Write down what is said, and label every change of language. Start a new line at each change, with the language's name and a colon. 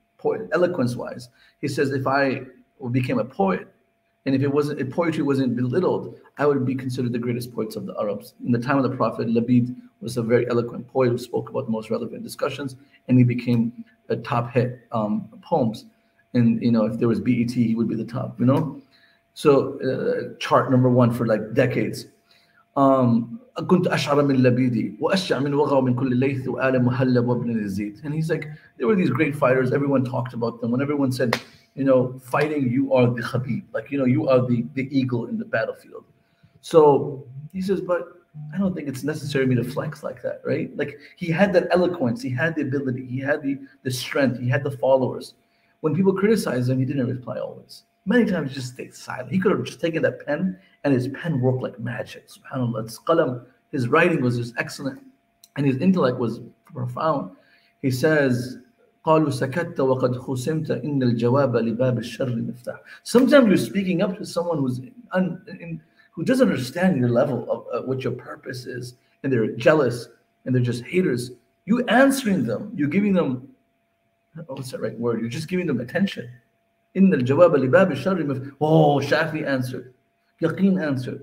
English: Poet, eloquence-wise, he says, if I became a poet, and if it wasn't, if poetry wasn't belittled, I would be considered the greatest poets of the Arabs. In the time of the Prophet, Labid was a very eloquent poet who spoke about the most relevant discussions, and he became a top hit poems. And, you know, if there was BET, he would be the top, you know? So, chart number one for, like, decades.
Arabic: كنت أشعر من لبيدي وأشجع من وغى من كل ليث وآل مهلب وابن الزيت.
English: And he's like, there were these great fighters. Everyone talked about them. When everyone said, you know, fighting, you are the Khabib. Like, you know, you are the eagle in the battlefield. So he says, but I don't think it's necessary for me to flex like that, right? Like, he had that eloquence. He had the ability. He had the strength. He had the followers. When people criticized him, he didn't reply always. Many times he just stayed silent. He could have just taken that pen, and his pen worked like magic. SubhanAllah, his qalam, his writing was just excellent, and his intellect was profound. He says,
Arabic: قَالُوا سَكَتَّ وَقَدْ خُسِمْتَ إِنَّ الْجَوَابَ لِبَابِ الشَّرِّ مِفْتَحَ.
English: Sometimes you're speaking up to someone who's who doesn't understand your level of what your purpose is, and they're jealous, and they're just haters. You answering them, you're giving them, what's that right word? You're just giving them attention.
Arabic: إِنَّ الْجَوَابَ لِبَابِ الشَّرِّ مِفْتَحَ.
English: Oh, Shafi answered. Yaqeen answered.